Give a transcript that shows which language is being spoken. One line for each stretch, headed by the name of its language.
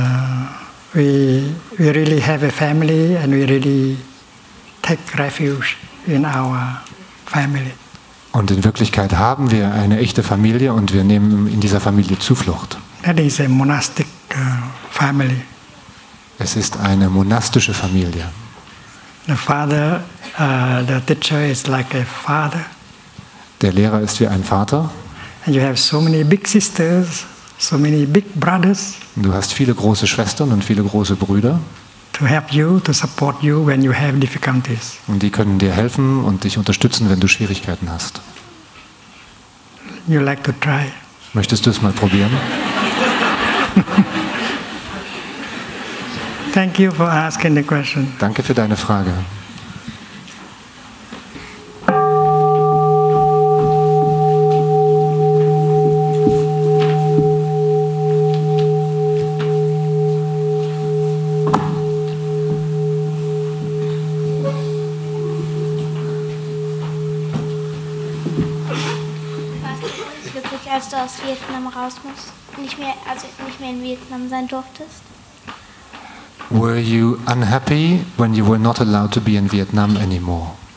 English: And we really have a family and we really take refuge in our family.
German: Und in Wirklichkeit haben wir eine echte Familie und wir nehmen in dieser Familie Zuflucht.
English: That is a monastic family.
German: Es ist eine monastische Familie.
English: The father, the teacher is like a father.
German: Der Lehrer ist wie ein Vater.
English: And you have so many big sisters, so many big brothers.
German: Und du hast viele große Schwestern und viele große Brüder.
English: To help you, to support you when you have difficulties.
German: Und die können dir helfen und dich unterstützen, wenn du Schwierigkeiten hast.
English: You like to try?
German: Möchtest du es mal probieren?
English: Thank you for asking the question.
German: Danke für deine Frage.
Spanish: Gracias.
German: als du aus Vietnam raus musst, nicht mehr in Vietnam sein durftest?
English: Were you unhappy when you were not allowed to be in Vietnam anymore?